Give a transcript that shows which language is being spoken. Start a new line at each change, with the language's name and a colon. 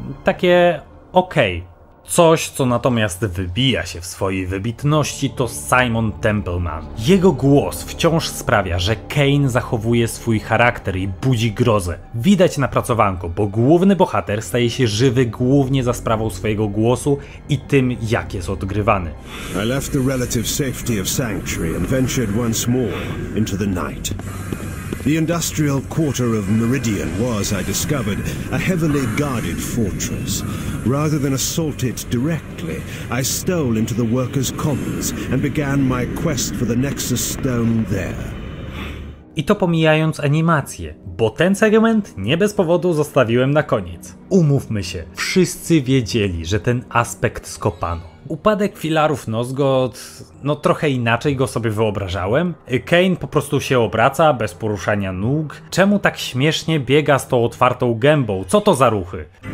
Polish: Takie okej. Coś, co natomiast wybija się w swojej wybitności, to Simon Templeman. Jego głos wciąż sprawia, że Kane zachowuje swój charakter i budzi grozę. Widać napracowanko, bo główny bohater staje się żywy głównie za sprawą swojego głosu i tym, jak jest odgrywany.
English: I left the relative safety of Sanctuary and ventured once more into the night. The industrial quarter of Meridian was, I discovered, a heavily guarded fortress. Rather than assault it directly, I stole into the workers' commons and began my quest for the Nexus Stone there.
Polish: I to pomijając animację, bo ten segment nie bez powodu zostawiłem na koniec. Umówmy się, wszyscy wiedzieli, że ten aspekt skopano. Upadek filarów Nozgoth, no trochę inaczej go sobie wyobrażałem. Kane po prostu się obraca bez poruszania nóg. Czemu tak śmiesznie biega z tą otwartą gębą? Co to za ruchy?